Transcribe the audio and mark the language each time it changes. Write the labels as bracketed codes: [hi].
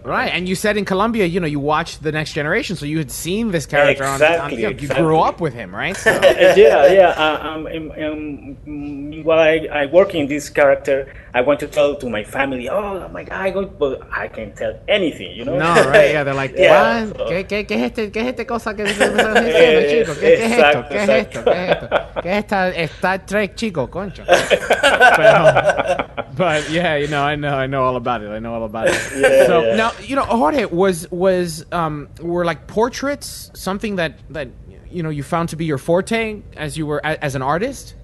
[en] Right, and you said in Colombia, you know, you watched The Next Generation, so you had seen this character exactly. You grew up with him, right? I work in this character, I want to tell to my family, oh my god, but I can't tell anything, you know? No, right, yeah, they're like, yeah, what? So. [es] ¿Qué es esta cosa que está diciendo, chico? ¿Qué es esto? ¿Está Trek, chico, concho? [en] But yeah, you know, I know all about it. Now, you know, Jorge, were like portraits something that you know you found to be your forte as you were as an artist?